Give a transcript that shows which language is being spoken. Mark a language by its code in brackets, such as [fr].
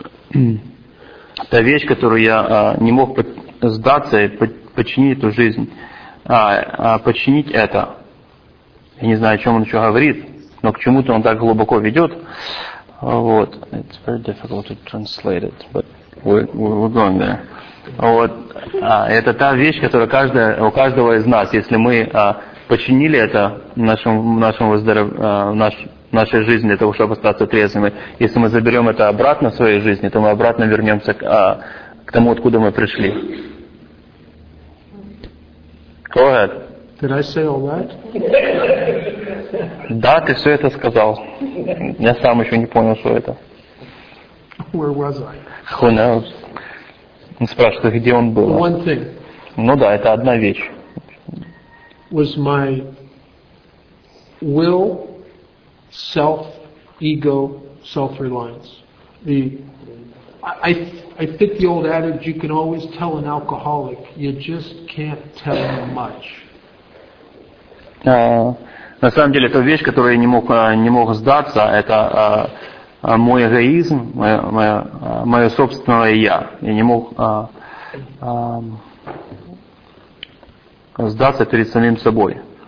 [ru] Это та вещь, которую я не мог сдаться и подчинить эту жизнь. Подчинить это. Я не знаю, о чем он еще говорит, но к чему-то он так глубоко ведет. Вот. [en] It's very difficult to translate it, but we're going there. [ru] Вот. Это та вещь, которая у каждого из нас, если мы починили это нашей жизни для того, чтобы остаться трезвыми. Если мы заберем это обратно в своей жизни, то мы обратно вернемся к тому, откуда мы пришли. [en] Go ahead. Did I say all that? [ru] Да, ты все это сказал. Я сам еще не понял, что это. [en] Where was I? Who knows? [ru] Он спрашивает, где он был. [en] One thing. [ru] Ну да, это одна вещь. [en] Was my will, self, ego, self-reliance. I fit the old adage, you can always tell an alcoholic, you just can't tell him much. [ru] На самом деле, это вещь, которую я не мог сдаться, это мой эгоизм, мое собственное я. Я не мог сдаться перед самим собой.